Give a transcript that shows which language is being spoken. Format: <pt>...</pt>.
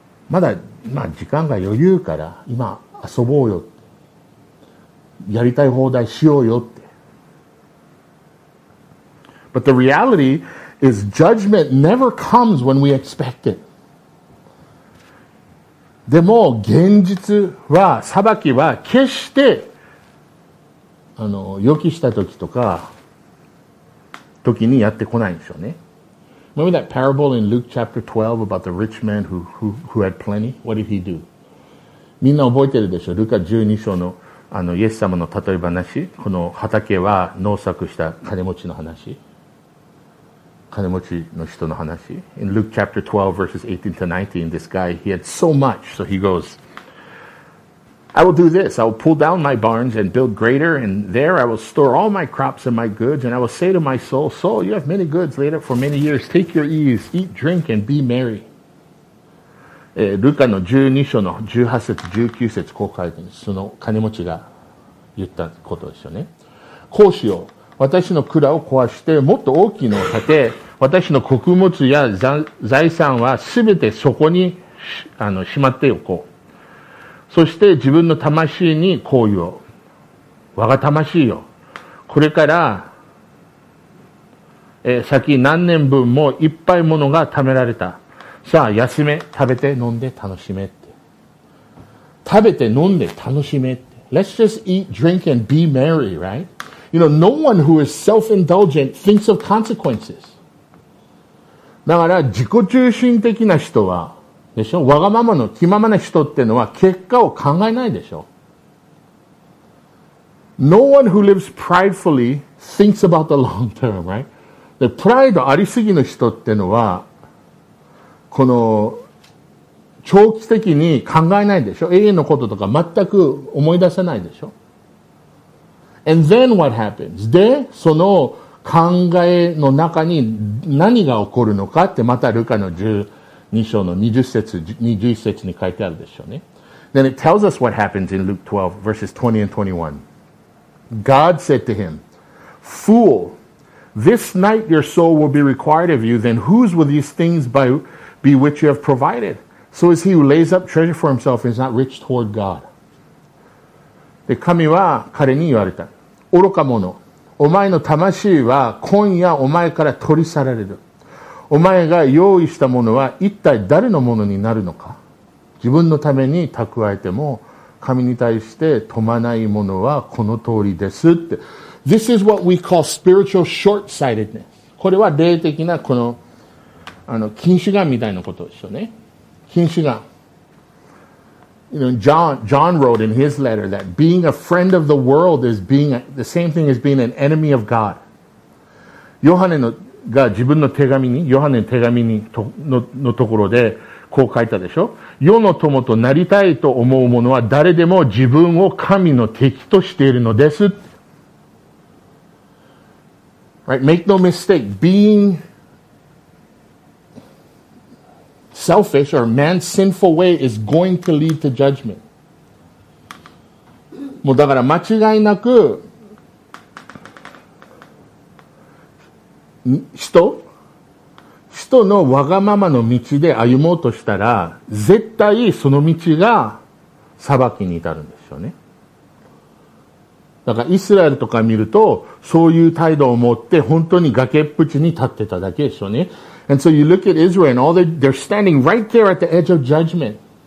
<ja>まだ、まあ、時間が余裕から今遊ぼうよってやりたい放題しようよって</ja> <en>But the reality is judgment never comes when we expect it.</en> <ja>でも現実は裁きは決して予期した時とか時にやってこないんでしょうね。</ja> <en>Remember that parable in Luke chapter 12 about the rich man who had plenty? What did he do?</en> <ja>みんな覚えてるでしょ？ルカ12章の、イエス様の例え話。この畑は農作した金持ちの話。金持ちの人の話。</ja> <en>In Luke chapter 12 verses 18 to 19, this guy, he had so much. So he goes, I will do this. I will pull down my barns and build greater, and there I will store all my crops and my goods, and I will say to my soul, Soul, you have many goods laid up for many years. Take your ease, eat, drink, and be merry.</en> <ja>ルカの12章の18節、19節、こう書いてあるんです。その金持ちが言ったことですよね。こうしよう。私の蔵を壊して、もっと大きいのを建て、私の穀物や財産はすべてそこにしまっておこう。そして自分の魂にこう言おう。我が魂よ。これから、先何年分もいっぱいものが貯められた。さあ、休め、食べて、飲んで、楽しめって。食べて、飲んで、楽しめって。</ja> <en>Let's just eat, drink, and be merry, right? You know, no one who is self-indulgent thinks of consequences.</en> <ja>だから、自己中心的な人は、でしょ？わがままの気ままな人っていうのは結果を考えないでしょ？</ja> <en>No one who lives pridefully thinks about the long term, right?</en> <ja>で、プライドありすぎの人っていうのは、この、長期的に考えないでしょ？永遠のこととか全く思い出せないでしょ？</ja> <en>And then what happens?</en> <ja>で、その考えの中に何が起こるのかってまたルカの2章の20節、21節に書いてあるでしょうね。</ja> <en>Then it tells us what happens in Luke 12, verses 20 and 21. God said to him, Fool, this night your soul will be required of you, then whose will these things be which you have provided? So is he who lays up treasure for himself and is not rich toward God.</en> <ja>で、神は彼に言われた。愚か者、お前の魂は今夜お前から取り去られる。お前が用意したものは一体誰のものになるのか。自分のために蓄えても神に対して富まないものはこの通りですって。</ja> <en>This is what we call spiritual short-sightedness.</en> <ja>これは霊的なこの、近視眼みたいなことですよね。近視眼。</ja> <en>You know, John wrote in his letter that being a friend of the world is being a, the same thing as being an enemy of God.</en> <ja>ヨハネが自分の手紙に、ヨハネの手紙にと の, のところでこう書いたでしょ。世の友となりたいと思う者は誰でも自分を神の敵としているのです。</ja> <en>Right, make no mistake, being selfish or man's sinful way is going to lead to judgment.</en> <ja>もうだから間違いなく人のわがままの道で歩もうとしたら絶対その道が裁きに至るんですよね。だからイスラエルとか見るとそういう態度を持って本当に崖っぷちに立ってただけですよね。</ja> <en>And so you look at Israel and all they're standing right there at the edge of judgment.</en>